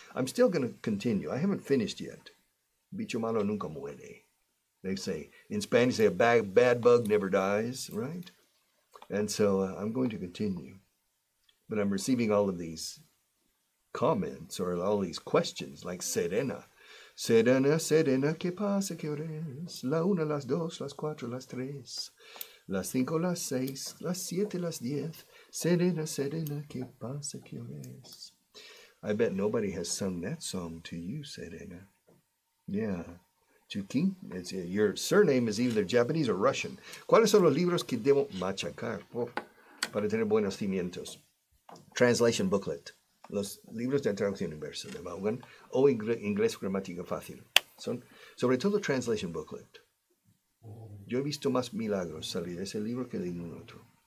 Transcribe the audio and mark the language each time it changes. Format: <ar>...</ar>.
<en>I'm still going to continue. I haven't finished yet.</en> <es>Bicho malo nunca muere.</es> <en>They say, in Spanish, they say a bad bug never dies, right? And so I'm going to continue. But I'm receiving all of these comments or all these questions, like Serena.</en> <es>Serena, Serena, ¿qué pasa, qué hora es? La una, las dos, las cuatro, las tres. Las cinco, las seis, las siete, las diez. Serena, Serena, ¿qué pasa, qué hora es?</es> <en>I bet nobody has sung that song to you, Serena. Yeah. Chukin, your surname is either Japanese or Russian.</en> <es>¿Cuáles son los libros que debo machacar para tener buenos cimientos? Translation booklet. Los libros de traducción inversa de Vaughan o inglés gramática fácil. Son, sobre todo, translation booklet. Yo he visto más milagros salir de ese libro que de ningún otro.</es>